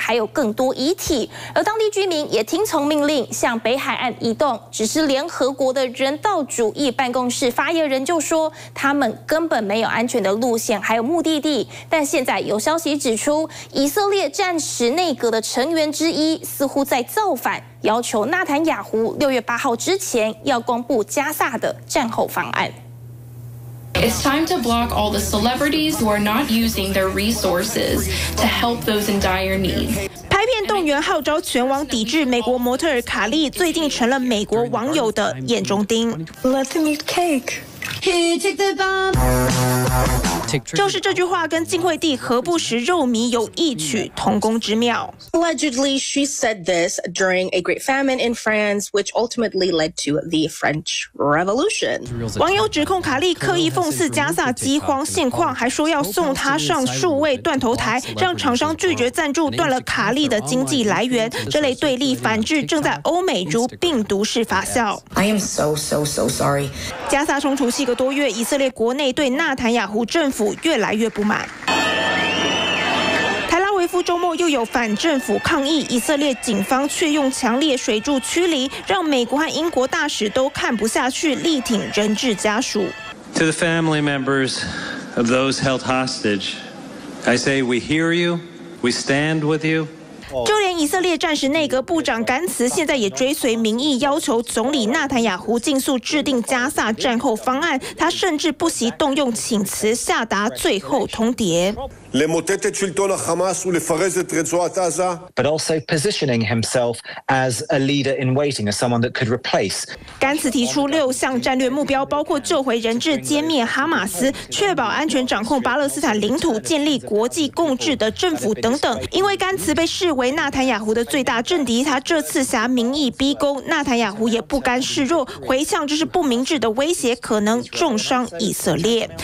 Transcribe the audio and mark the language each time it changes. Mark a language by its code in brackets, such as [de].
[zh] 还有更多遗体，而当地居民也听从命令向北海岸移动，只是联合国的人道主义办公室发言人就说他们根本没有安全的路线还有目的地。但现在有消息指出，以色列暂时内阁的成员之一似乎在造反，要求纳坦雅胡6月8号之前要公布加萨的战后方案。 [en] It's time to block all the celebrities who are not using their resources to help those in dire need. [zh] 拍片动员号召全网抵制美国模特儿卡莉，最近成了美国网友的眼中钉。 [en] Let them eat cake. He took the bomb. [zh] 就是这句话跟晋惠帝何不食肉糜有异曲同工之妙。 [en] Allegedly, she said this during a great famine in France, which ultimately led to the French Revolution. [zh] 网友指控卡莉刻意讽刺加萨饥荒现况，还说要送她上数位断头台，让厂商拒绝赞助，断了卡。力的经济来源，这类对立反制正在欧美如病毒式发酵。 [en] I am so so so sorry。 [zh] 加萨冲突7个多月，以色列国内对纳坦雅胡政府越来越不满。台拉维夫周末又有反政府抗议，以色列警方却用强烈水柱驱离，让美国和英国大使都看不下去，力挺人质家属。 [en] To the family members of those held hostage, I say we hear you. We stand with you. [zh] 就连以色列战时内阁部长甘茨现在也追随民意，要求总理纳坦雅胡尽速制定加萨战后方案。他甚至不惜动用请辞下达最后通牒。 [en] But also positioning himself as a leader in waiting, as someone that could replace. [zh] 甘茨提出6项战略目标，包括救回人质、歼灭哈马斯、确保安全、掌控巴勒斯坦领土、建立国际共治的政府等等。因为甘茨被视为纳坦雅胡的最大政敌，他这次挟民意逼宫，纳坦雅胡也不甘示弱，回呛这是不明智的威胁，可能重伤以色列。